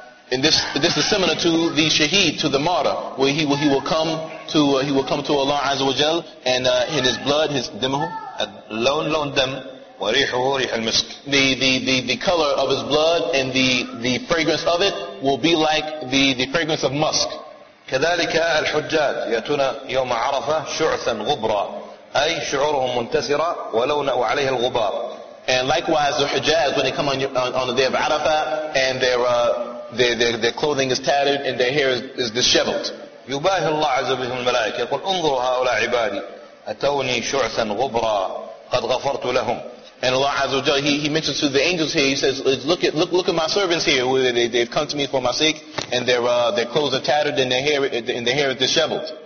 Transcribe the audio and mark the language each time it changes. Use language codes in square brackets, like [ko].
[en] And this is similar to the shaheed, to the martyr, where he will come to Allah Azza wa Jal, and in his blood, his dimahu, [ar] lawn lawn dam, warihu rih al misk. [en] The color of his blood and the fragrance of it will be like the fragrance of musk. [ar] كذلك الحجاج يأتون يوم عرفة شعثا غبرا أي شعورهم منتسرة ولون وعليه الغبار. [en] And likewise, the hujjaj, when they come on the day of Arafah, and their clothing is tattered and their hair is disheveled. [ar] يباهي الله عز وجل الملائكة يقول انظروا هؤلاء عبادي أتوني شعثا غبرا قد غفرت لهم. [en] And Allah [ar] عز وجل, [en] he mentions to the angels here, he says, look at my servants here, where they've come to me for my sake, and their clothes are tattered and their hair is disheveled.